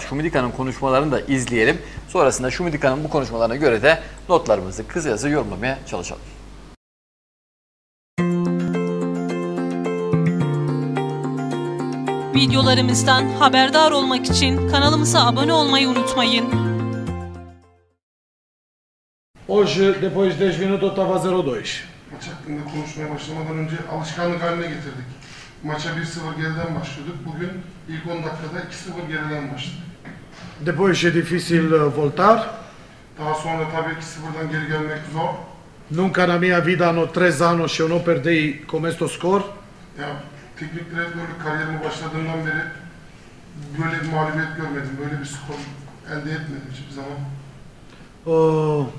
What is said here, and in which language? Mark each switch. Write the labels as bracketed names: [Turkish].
[Turkish] Şumidika'nın konuşmalarını da izleyelim. Sonrasında Şumidika'nın bu konuşmalarına göre de notlarımızı kısacası yorumlamaya çalışalım. Videolarımızdan haberdar olmak için kanalımıza abone olmayı unutmayın. [Portuguese] Hoje depois de 10 minutos estava 0-2. [Turkish] Maç hakkında konuşmaya başlamadan önce alışkanlık haline getirdik. Maça 1-0 geriden başlıyorduk. Bugün ilk 10 dakikada 2-0 geriden başladık. [Portuguese] Depois é difícil voltar. [Turkish] Daha sonra tabii ki 0'dan geri gelmek zor. [Portuguese] Nunca na minha vida no 3 anos eu não perdi com este score. [Turkish] Ya teknik direktörlük kariyerimi başladığımdan beri böyle bir mağlubiyet görmedim, böyle bir skor elde etmedim hiçbir zaman.